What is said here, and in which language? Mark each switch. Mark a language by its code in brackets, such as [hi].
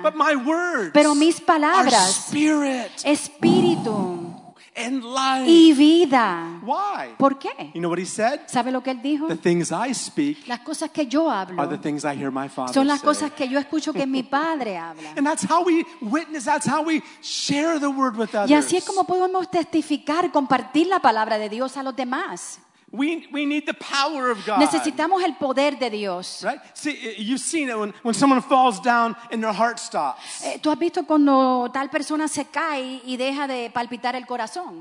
[en] But my words [es] pero mis palabras [en] are spirit. [es] Espíritu. [en] And life. [es] Y vida. [en] Why? [es] ¿Por qué? [en] You know what he said? [es] ¿Sabe lo que él dijo? [en] The things I speak [es] las cosas que yo hablo [en] are the things I hear my father [es] son las [en] say. [es] Cosas que yo escucho que mi padre habla. [en] And that's how we witness, that's how we share the word with others. [es] Y así es como podemos testificar, compartir la palabra de Dios a los demás. [en] We need the power of God. [es] Necesitamos el poder de Dios. [en] Right? See, you've seen it when someone falls down and their heart stops. [es] ¿Tú has visto cuando tal persona se cae y deja de palpitar el corazón?